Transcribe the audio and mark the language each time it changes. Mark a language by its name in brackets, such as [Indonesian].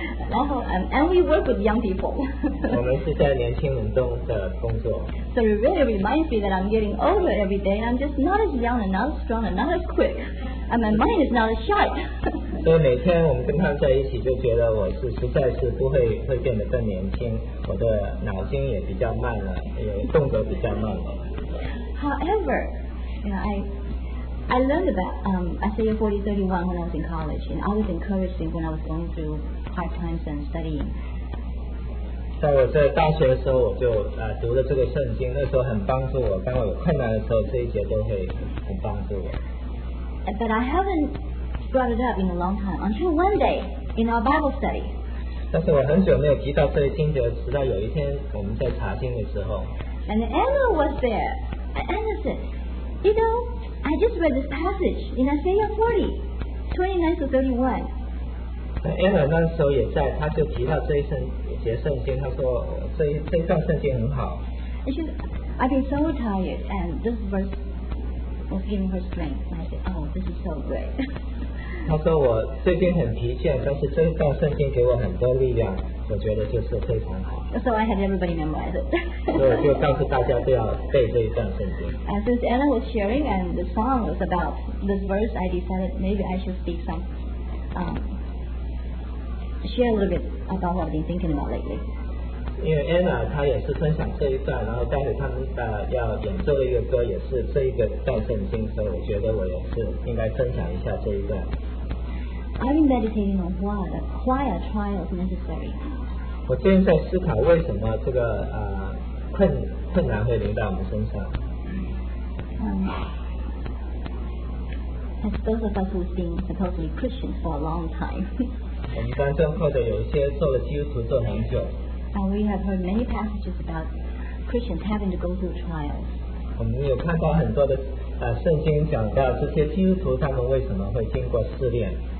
[English] 然后 and we work with young people. So it really reminds me that I'm getting older every day, and I'm just not as young and not as strong and not as quick, and my mind is not as sharp. [Chinese] 所以每天我们跟他在一起，就觉得我是实在是不会会变得更年轻，我的脑筋也比较慢了，也动作比较慢了。 [English] However, you know, I learned about Isaiah 40:31 when I was in college, and I was encouraged when I was going through hard times and studying. [Chinese] 在我在大学的时候，我就读了这个圣经，那时候很帮助我。当我有困难的时候，这一节都会很帮助我。 [English] But I haven't brought it up in a long time until one day in our Bible study. [Chinese] 但是我很久没有提到这一经节，直到有一天我们在查经的时候。 [English] And Anna was there. Anna said, "You know." I just read this passage in Isaiah 40:29-31. [Chinese] Anna 那时候也在，他就提到这一圣节圣经，他说这段圣经很好。 [English] And she said, "I've been so tired, and this verse was giving her strength." And I said, "Oh, this is so great." [Chinese] 他说我最近很疲倦，但是这一段圣经给我很多力量，我觉得就是非常好。 [English] So I had everybody memorize it. [Chinese] 所以就告诉大家都要背这一段圣经。 [English] And since Anna was sharing and the song was about this verse, I decided maybe I should speak some, share a little bit about what I've been thinking about lately. [Chinese] 因为 Anna 她也是分享这一段，然后待会他们要演奏的一个歌也是这一个段圣经，所以我觉得我也是应该分享一下这一段。 [English] I've been meditating on why a trial is necessary. [Chinese] 我最近在思考为什么这个困难会临到我们身上。 [English] As those of us who've been supposedly Christians for a long time. [Chinese] 我们当中或者有一些做了基督徒做很久。 [English] And we have heard many passages about Christians having to go through trials. [Chinese] 我们有看到很多的圣经讲到这些基督徒他们为什么会经过试炼。